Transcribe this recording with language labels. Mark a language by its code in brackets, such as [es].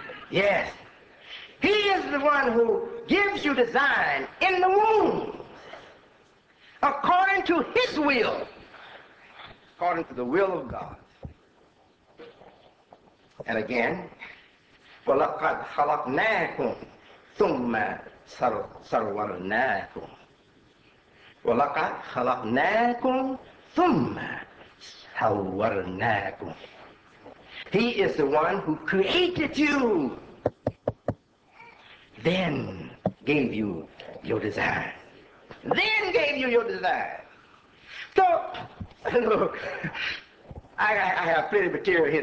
[en] Yes, he is the one who gives you design in the womb, according to his will, according to the will of God. And again, [ar] وَلَقَدْ خَلَقْنَاكُمْ ثُمَّ صَوَّرْنَاكُمْ وَلَقَدْ خَلَقْنَاكُمْ ثُمَّ صَوَّرْنَاكُمْ. [en] He is the one who created you, then gave you your desire. Then gave you your desire. So Look, I have plenty of material here.